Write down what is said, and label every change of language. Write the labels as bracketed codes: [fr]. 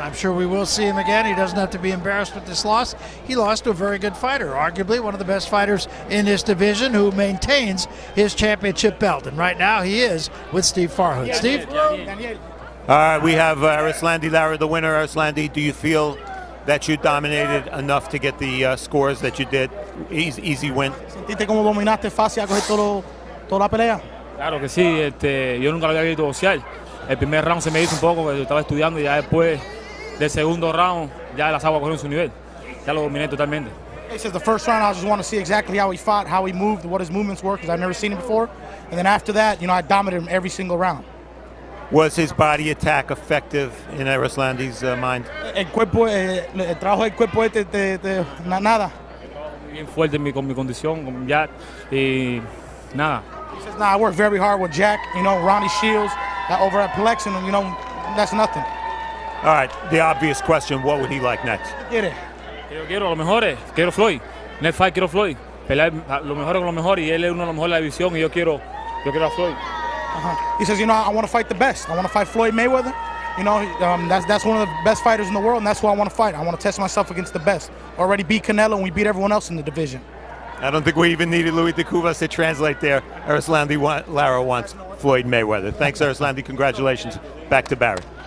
[en] I'm sure we will see him again. He doesn't have to be embarrassed with this loss. He lost to a very good fighter, arguably one of the best fighters in his division, who maintains his championship belt. And right now he is with Steve Farhood. Steve? All right, we have Erislandy Lara, the winner. Erislandy, do you feel that you dominated enough to get the scores that you did? Easy win. [es] ¿Sentiste como dominaste fácil a coger toda la pelea? Claro que sí. Yo nunca lo había visto boxear. El primer round se me hizo un poco, porque estaba estudiando, y ya después del segundo round, ya las aguas cogieron su nivel. Ya lo dominé totalmente. [en] He says the first round, I just want to see exactly how he fought, how he moved, what his movements were, because I've never seen him before. And then after that, you know, I dominated him every single round. Was his body attack effective in Erislandy's mind? [es] El cuerpo, el trabajo del cuerpo este de nada. Bien fuerte con mi condición, con mi jab, y nada. [en] He says, nah, I worked very hard with Jack, you know, Ronnie Shields, over at Plexin, you know, that's nothing. All right, the obvious question, what would he like next? Get it. [es] Quiero lo mejor, quiero Floyd. [en] Next fight, [es] quiero Floyd. Pelear lo mejor con lo mejor, y él es uno de los mejores de la división, y yo quiero a Floyd. Uh-huh. [en] He says, you know, I want to fight the best. I want to fight Floyd Mayweather. You know, that's one of the best fighters in the world, and that's who I want to fight. I want to test myself against the best. Already beat Canelo, and we beat everyone else in the division. I don't think we even needed Luis de Cubas to translate there. Erislandy Lara wants Floyd Mayweather. Thanks, Erislandy. Congratulations. Back to Barry.